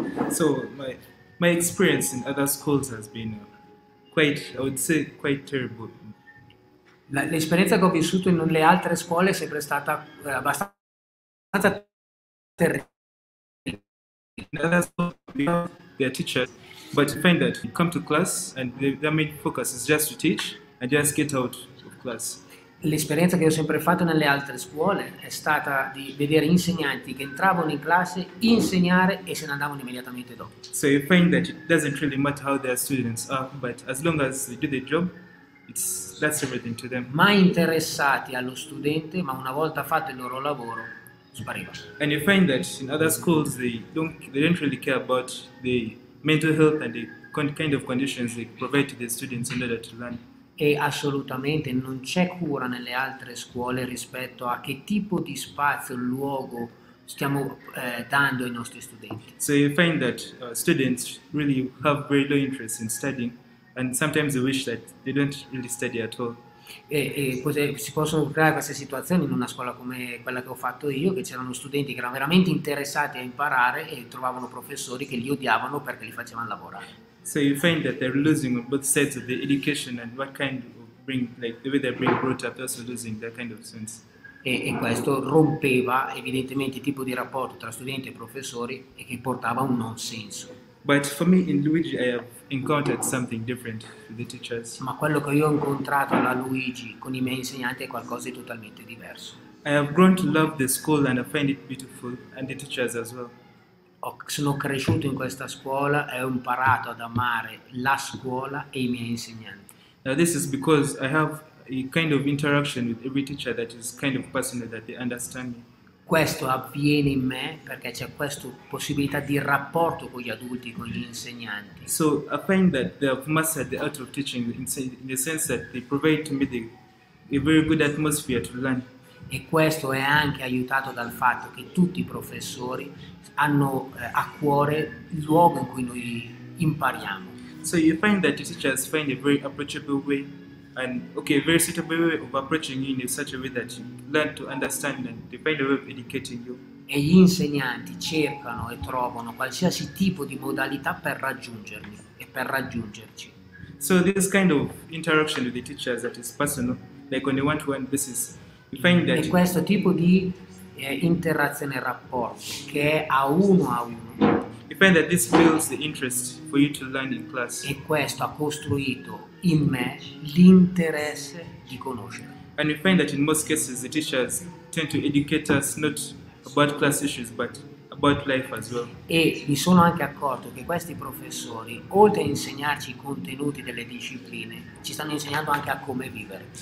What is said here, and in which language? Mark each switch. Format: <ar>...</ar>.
<en>So my experience in other schools has been quite terrible.</en> <it>L'esperienza che ho vissuto in le altre scuole è sempre stata abbastanza terribile.</it> <en>In other schools we have their teachers, but you find that you come to class and their main focus is just to teach and just get out of class.</en> <it>L'esperienza che ho sempre fatto nelle altre scuole è stata di vedere insegnanti che entravano in classe, insegnare e se ne andavano immediatamente dopo.</it> <en>So you find that it doesn't really matter how their students are, but as long as they do the job, that's everything to them.</en> <it>Mai interessati allo studente, ma una volta fatto il loro lavoro, spariva.</it> <en>And you find that in other schools they don't really care about the mental health and the kind of conditions they provide to the students in order to learn.</en> <it>E assolutamente non c'è cura nelle altre scuole rispetto a che tipo di spazio, luogo stiamo dando ai nostri studenti.</it> <en>So you find that students really have very low interest in studying and sometimes they wish that they don't really study at all.</en> <it>E si possono creare queste situazioni in una scuola come quella che ho fatto io, che c'erano studenti che erano veramente interessati a imparare e trovavano professori che li odiavano perché li facevano lavorare.</it> <en>So you find that they're losing on both sides of the education and what kind of bring, like the way they're being brought up, they're also losing that kind of sense.</en> <it>E questo rompeva evidentemente il tipo di rapporto tra studenti e professori e che portava un non senso.</it> <en>But for me in Luigi I have encountered something different with the teachers.</en> <it>Ma quello che io ho incontrato alla Luigi con i miei insegnanti è qualcosa di totalmente diverso.</it> <en>I have grown to love the school and I find it beautiful and the teachers as well.</en> <it>Sono cresciuto in questa scuola e ho imparato ad amare la scuola e i miei insegnanti.</it> <en>Now this is because I have a kind of interaction with every teacher that is kind of personal, that they understand me.</en> <it>Questo avviene in me perché c'è questa possibilità di rapporto con gli adulti, con gli insegnanti.</it> <en>So I find that they have mastered the art of teaching in the sense that they provide to me a very good atmosphere to learn.</en> <it>E questo è anche aiutato dal fatto che tutti i professori hanno a cuore il luogo in cui noi impariamo.</it> <en>So you find that the teachers find a very approachable way and okay, very suitable way of approaching you in such a way that you learn to understand and they find a way of educating you.</en> <it>E gli insegnanti cercano e trovano qualsiasi tipo di modalità per raggiungermi e per raggiungerci.</it> <en>So this kind of interaction with the teachers that is personal, like on a one-to-one basis, you find that</en> <it>e questo tipo di interazione e rapporto che è a uno a uno.</it> <en>You find that this builds the interest for you to learn in class.</en> <it>E questo ha costruito in me l'interesse di conoscere.</it> <en>And you find that in most cases the teachers tend to educate us not about class issues but about life as well.</en> <it>E mi sono anche accorto che questi professori, oltre a insegnarci i contenuti delle discipline, ci stanno insegnando anche a come vivere.</it>